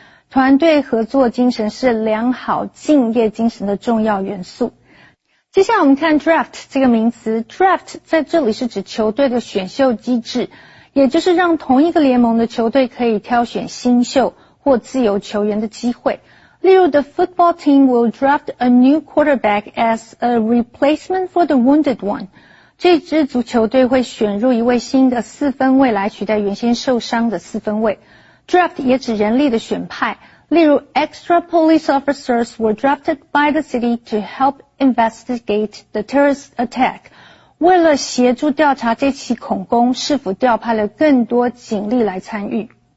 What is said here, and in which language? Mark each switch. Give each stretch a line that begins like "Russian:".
Chinese: 团队合作精神是良好敬业精神的重要元素。接下来我们看 draft 这个名词。draft 在这里是指球队的选秀机制，也就是让同一个联盟的球队可以挑选新秀或自由球员的机会。例如
English: the football team will draft a new quarterback as a replacement for the wounded one。
Chinese: 这支足球队会选入一位新的四分卫来取代原先受伤的四分卫。
English: Draft
Chinese: 也指人力的选派，例如
English: extra police officers were drafted by the city to help investigate the terrorist attack.
Chinese: 为了协助调查这起恐攻，市府调派了更多警力来参与。